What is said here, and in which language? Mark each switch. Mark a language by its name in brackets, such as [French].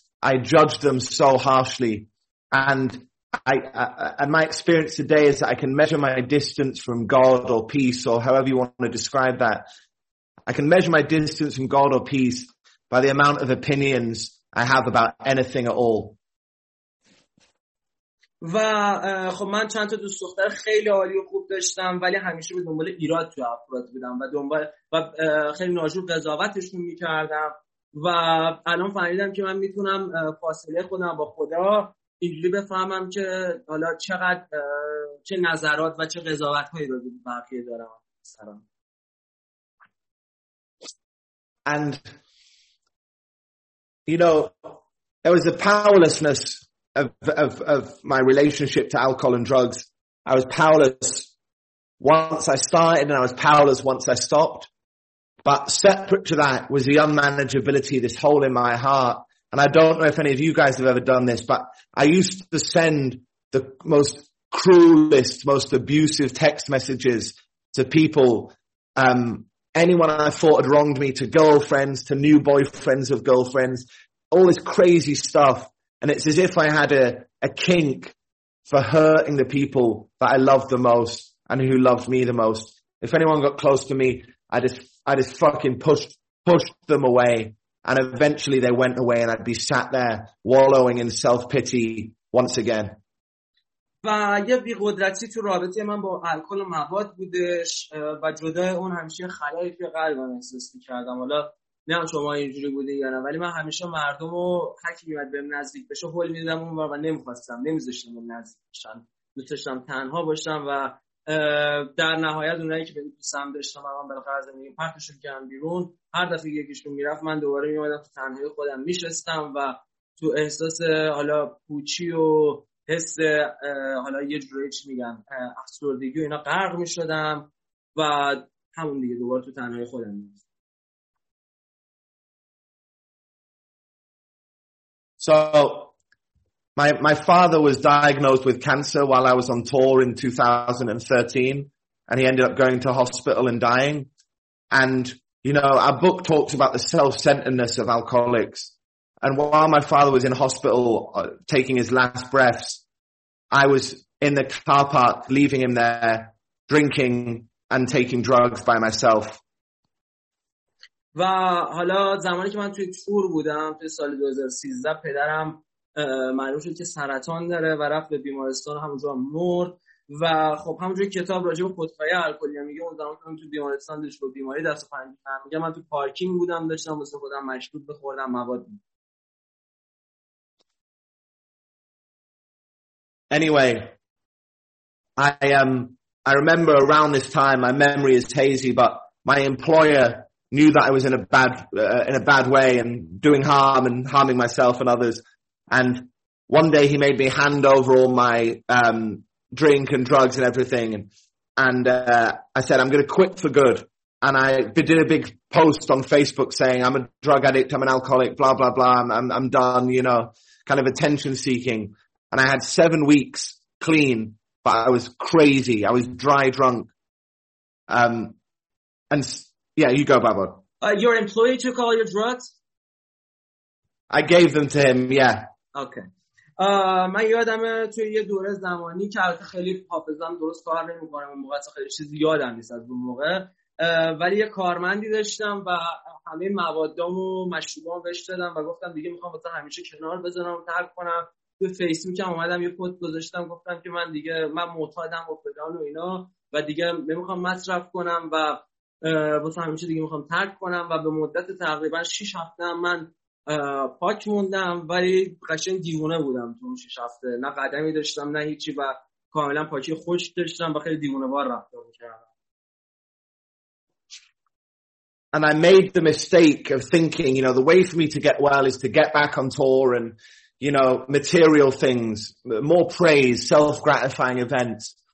[English] I judged them so harshly, and my experience today is that I can measure my distance from God or peace, or however you want to describe that. I can measure my distance from God or peace by the amount of opinions I have about anything at all. [Persian] و خب من چند تا دوست دختر خیلی عالی و خوب داشتم، ولی همیشه به دنبال ایراد توی افراد بودم و دنبال و خیلی ناجور قضاوتشون میکردم و الان فهمیدم که من میتونم فاصله خودم با خدا اینجوری بفهمم که حالا چقدر چه نظرات و چه قضاوتهایی رو دارم بقیه دارم سرم. [English] And you know, there was a powerlessness of my relationship to alcohol and drugs. I was powerless once I started, and I was powerless once I stopped. But separate to that was the unmanageability, this hole in my heart. And I don't know if any of you guys have ever done this, but I used to send the most cruelest, most abusive text messages to people, anyone I thought had wronged me, to girlfriends, to new boyfriends of girlfriends, all this crazy stuff. And it's as if I had a kink for hurting the people that I love the most and who love me the most. If anyone got close to me, I just fucking pushed them away, and eventually they went away, and I'd be sat there wallowing in self-pity once again. [Persian] و یه بی‌قدرتی تو رابطه من با الکل و مواد بودش و جدا اون همیشه خلایی که قلبم احساس می‌کردم. حالا نه شما اینجوری بودی یا نه، ولی من همیشه مردم رو هر کی میاد بهم نزدیک بشه هول میدادم اون و نمیخواستم، نمیذاشتم اون نزدیک بشن، دوست داشتم تنها باشم و در نهایت اونایی که بهم دوستم داشتم و من بالاخره از این پرتشون کردم بیرون، هر دفعه یکیشون میرفت من دوباره میومدم تو تنهایی خودم میشستم و تو احساس حالا پوچی و حس حالا یه جوری چی میگم افسردگی و اینا غرق میشدم و همون دیگه دوباره تو تنهایی خودم میشستم. [English] So my father was diagnosed with cancer while I was on tour in 2013, and he ended up going to hospital and dying. And, you know, our book talks about the self-centeredness of alcoholics. And while my father was in hospital taking his last breaths, I was in the car park leaving him there, drinking and taking drugs by myself. [Persian] و حالا زمانی که من توی تور بودم توی سال 2013، پدرم معلوم شد که سرطان داره و رفت به بیمارستان، همونجا هم مرد. و خب همونجوری کتاب راجع به خودکفایی الکلی میگه، اون زمانی که من توی بیمارستان داشت با بیماری دست و پنجه نرم می‌کرد، میگه من توی پارکینگ بودم داشتم واسه خودم مشروب بخوردم مواد. [English] Anyway, I remember around this time, my memory is hazy, but my employer knew that I was in a bad way and doing harm and harming myself and others. And one day he made me hand over all my drink and drugs and everything. And I said, I'm going to quit for good. And I did a big post on Facebook saying, I'm a drug addict, I'm an alcoholic, blah, blah, blah, I'm done, you know, kind of attention seeking. And I had 7 weeks clean, but I was crazy. I was dry drunk. Yeah, you go, Babo. Your employee took all your drugs? I gave them to him, yeah. Okay. [Persian] من یادم توی یه دوره زمانی که البته خیلی حافظم درست کار نمی‌کنه، اون موقع خیلی چیزی یادم نیست از اون موقع، ولی یه کارمندی داشتم و همه موادام و مشروبام بهش دادم و گفتم دیگه میخوام واسه همیشه کنار بذارم و ترک کنم. تو فیسبوک هم اومدم یه پست گذاشتم گفتم که من معتادم و فلان و اینا و دیگه نمی‌خوام مصرف کنم و واسه همیشه دیگه میخوام ترک کنم و به مدت تقریبا 6 هفته من پاک موندم، ولی قشنگ دیوونه بودم تو اون 6 هفته، نه قدمی داشتم نه هیچی و کاملا پاکی خوش داشتم و خیلی دیوونه وار رفتار می‌کردم. [English] And I made the mistake of thinking, you know, the way for me to get well is to get back on tour and, you know, material things, more praise, self-gratifying events.